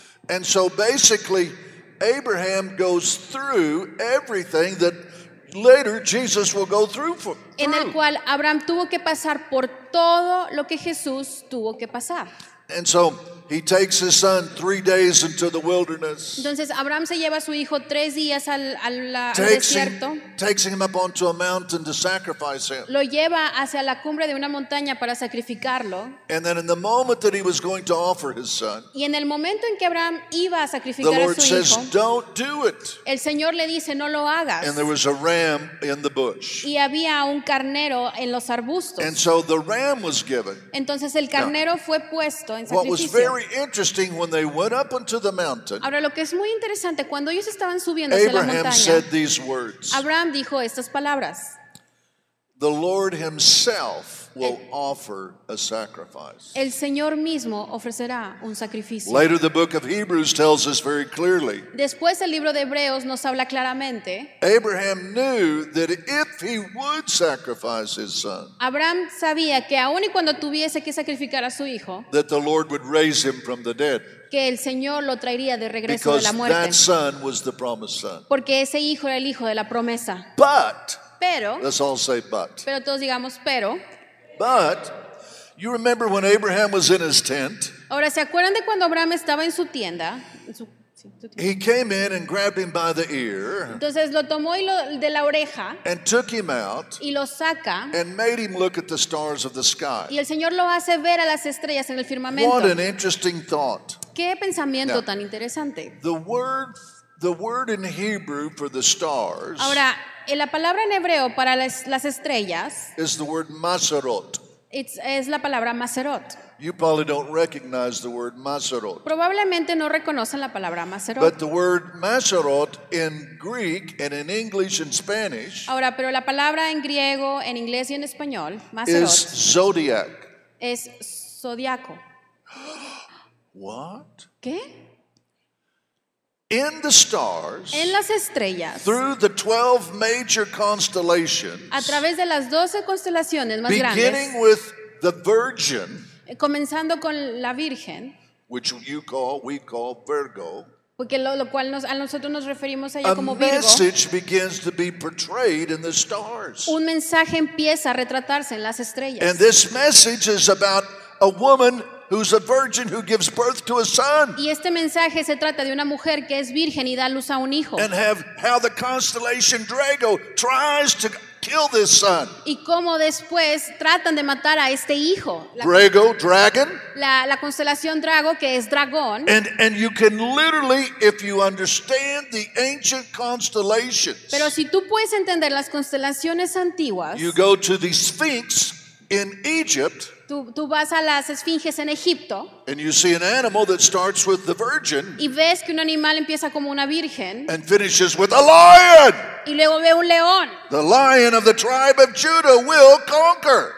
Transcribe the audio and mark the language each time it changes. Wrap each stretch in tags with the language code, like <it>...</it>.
<en>And so basically, Abraham goes through everything that later Jesus will go through for.</en> <es>En el cual Abraham tuvo que pasar por todo lo que Jesús tuvo que pasar.</es> <en>And so he takes his son 3 days into the wilderness.</en> <es>Entonces Abraham se lleva a su hijo 3 días al desierto.</es> <en>Takes him up onto a mountain to sacrifice him.</en> <es>Lo lleva hacia la cumbre de una montaña para sacrificarlo.</es> <en>And then in the moment that he was going to offer his son,</en> <es>y en el momento en que Abraham iba a sacrificar</es> <en>the Lord</en> <es>a su</es> <en>says,</en> <es>hijo,</es> <en>don't do it.</en> <es>El Señor le dice, no lo hagas.</es> <en>And there was a ram in the bush.</en> <es>Y había un carnero en los arbustos.</es> <en>And so the ram was given.</en> <es>Entonces el carnero fue puesto en</es> <en>what Was very interesting when they went up into the mountain.</en> <es>Ahora lo que es muy interesante cuando ellos estaban subiendo</es> <en>Abraham</en> <es>desde la</es> <en>montaña, said these words.</en> <es>Abraham dijo estas palabras.</es> <en>The Lord himself will offer a sacrifice.</en> <es>El Señor mismo ofrecerá un sacrificio.</es> <en>Later the book of Hebrews tells us very clearly.</en> <es>Después el libro de Hebreos nos habla claramente.</es> <en>Abraham knew that if he would sacrifice his son.</en> <es>Abraham sabía que aun y cuando tuviese que sacrificar a su hijo.</es> <en>That the Lord would raise him from the dead.</en> <es>Que el Señor lo traería de regreso</es> <en>because</en> <es>de la muerte.</es> <en>Because that son was the promised son.</en> <es>Porque ese hijo era el hijo de la promesa.</es> <en>But</en> <es>pero,</es> <en>let's all say but.</en> <es>Pero todos digamos pero.</es> <en>But you remember when Abraham was in his tent?</en> <es>Ahora, ¿se acuerdan de cuando Abraham estaba en su tienda?</es> <en>He came in and grabbed him by the ear.</en> <es>Entonces lo tomó y lo de la oreja.</es> <en>And took him out.</en> <es>Y lo saca.</es> <en>And made him look at the stars of the sky.</en> <es>Y el Señor lo hace ver a las estrellas en el firmamento.</es> <en>What an interesting thought.</en> <es>Qué pensamiento tan interesante.</es> <en>The word in Hebrew for the stars.</en> <es>Ahora, la palabra en hebreo para las estrellas</es> <en>is the word maserot.</en> <es>Es la palabra maserot.</es> <en>You probably don't recognize the word maserot.</en> <es>Probablemente no reconocen la palabra maserot.</es> <en>But the word maserot in Greek and in English and Spanish.</en> <es>Ahora, pero la palabra en griego, en inglés y en español, maserot,</es> <en>is zodiac.</en> <es>Es zodiaco.</es> <en>What?</en> <es>¿Qué?</es> <en>In the stars,</en> <es>en las estrellas,</es> <en>through the 12 major constellations,</en> <es>a través de las 12 constelaciones más</es> <en>beginning</en> <es>grandes,</es> <en>with the Virgin,</en> <es>comenzando con la Virgen,</es> <en>which we call Virgo,</en> <es>Porque lo cual nos, a nosotros nos referimos allá a como Virgo.</es> <en>A message begins to be portrayed in the stars.</en> <es>Un mensaje empieza a retratarse en las estrellas.</es> <en>And this message is about a woman who's a virgin who gives birth to a son.</en> <es>Y este mensaje se trata de una mujer que es virgen y da luz a un hijo.</es> <en>And have how the constellation Draco tries to kill this son.</en> <es>Y cómo después tratan de matar a este hijo.</es> <en>Draco, dragon.</en> <es>La constelación Drago, que es dragón.</es> <en>And you can literally, if you understand the ancient constellations.</en> <es>Pero si tú puedes entender las constelaciones antiguas.</es> <en>You go to the Sphinx in Egypt.</en> <es>Tú vas a las esfinges en Egipto.</es> <en>And you see an animal that starts with the virgin.</en> <es>Y ves que un animal empieza como una virgen.</es> <en>And finishes with a lion.</en> <es>Y luego ve un león.</es> <en>The lion of the tribe of Judah will conquer.</en>